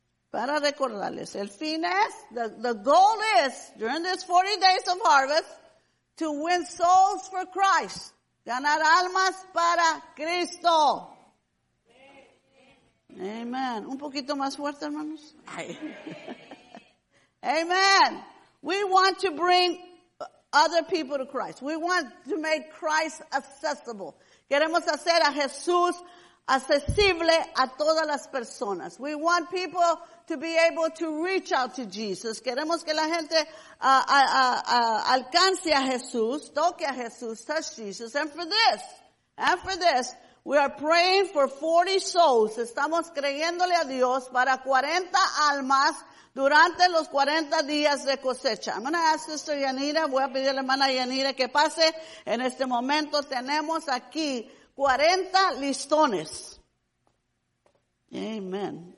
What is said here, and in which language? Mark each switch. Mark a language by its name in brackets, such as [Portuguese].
[Spanish] Para recordarles, el fin es, [English] the goal is, during this 40 days of harvest, to win souls for Christ. [Spanish] Ganar almas para Cristo. Amen. Un poquito más fuerte, hermanos. Amen. [English] We want to bring other people to Christ. We want to make Christ accessible. [Spanish] Queremos hacer a Jesús accesible a todas las personas. [English] We want people to be able to reach out to Jesus. [Spanish] Queremos que la gente alcance a Jesús, toque a Jesús, [English] touch Jesus. And for this, we are praying for 40 souls. [Spanish] Estamos creyéndole a Dios para 40 almas durante los 40 días de cosecha. [English] I'm going to ask Sister Yanira. [Spanish] Voy a pedir a la hermana Yanira que pase. En este momento tenemos aquí 40 listones. Amen.